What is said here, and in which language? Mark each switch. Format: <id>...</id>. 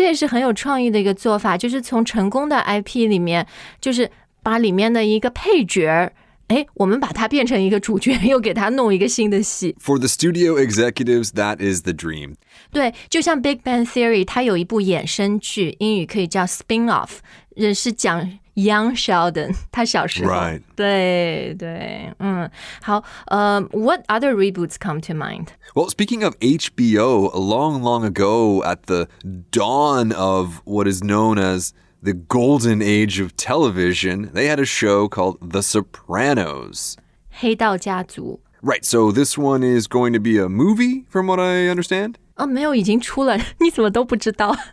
<zh>对，所以我觉得这也是很有创意的一个做法， 就是从成功的 IP里面， 就是把里面的一个配角， 我们把它变成一个主角，又给他弄一个新的戏。</zh> <en>For the studio executives, that is the dream.</en> <zh>对，就像 Big Bang Theory， 它有一部衍生剧， 英语可以叫 spin-off， 是讲 Young Sheldon， 他小时候。 Right. 对，好。</zh> <en>What other reboots come to mind? Well, speaking of HBO, long, long ago, at the dawn of what is known as the golden age of television, they had a show called The Sopranos.</en> <zh>黑道家族.</zh> <en>Right, so this one is going to be a movie, from what I understand?</en> <zh>没有，已经出了，你怎么都不知道?</zh>